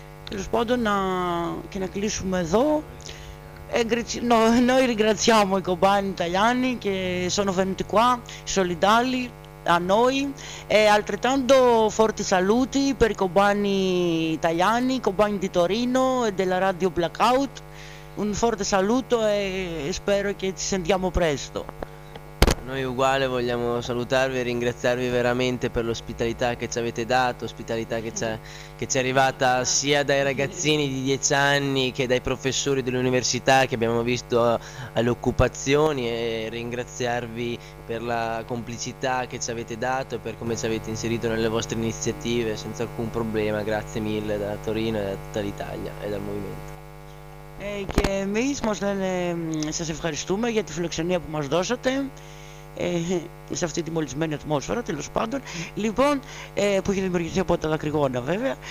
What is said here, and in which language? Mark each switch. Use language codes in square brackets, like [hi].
[el] Τέλος πάντων, να κλείσουμε εδώ. [it] Noi ringraziamo i compagni italiani che sono venuti qua, solidali a noi, e altrettanto forti saluti per i compagni italiani, compagni di Torino e della Radio Blackout. Un forte saluto e spero che ci sentiamo presto. Noi uguale vogliamo salutarvi e ringraziarvi veramente per l'ospitalità che ci avete dato, ospitalità che ci è arrivata sia dai ragazzini di 10 anni che dai professori dell'università che abbiamo visto alle occupazioni, e ringraziarvi per la complicità che ci avete dato e per come ci avete inserito nelle vostre iniziative senza alcun problema. Grazie mille da Torino e da tutta l'Italia e dal Movimento. [el] Και εμείς μας λένε σας ευχαριστούμε για τη φιλοξενία που μας δώσατε σε αυτή τη μολυσμένη ατμόσφαιρα, τέλος πάντων, λοιπόν, που έχει δημιουργηθεί από τα Δακρυγόνα, βέβαια.